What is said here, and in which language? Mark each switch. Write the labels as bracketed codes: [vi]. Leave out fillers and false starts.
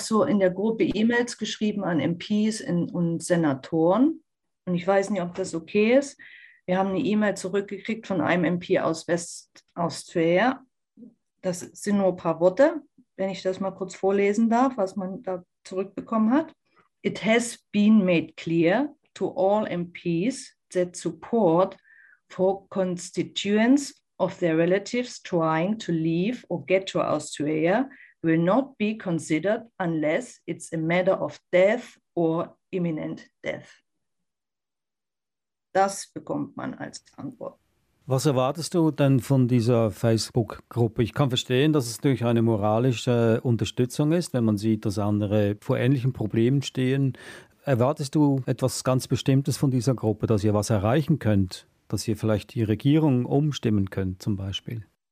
[de] so in der Gruppe E-Mails geschrieben an MPs und Senatoren. Und ich weiß nicht, ob das okay ist. Wir haben eine E-Mail zurückgekriegt von einem MP aus Westaustralien. Das sind nur ein paar Worte, wenn ich das mal kurz vorlesen darf, was man da zurückbekommen hat. [en] It has been made clear to all MPs that support for constituents of their relatives trying to leave or get to Australia will not be considered unless it's a matter of death or imminent death. [de] Das bekommt man als Antwort. was erwartest du denn von dieser Facebook-Gruppe? Ich kann verstehen, dass es durch eine moralische Unterstützung ist, wenn man sieht, dass andere vor ähnlichen Problemen stehen. Erwartest du etwas ganz Bestimmtes von dieser Gruppe, dass ihr was erreichen könnt, dass ihr vielleicht die Regierung umstimmen könnt, zum Beispiel?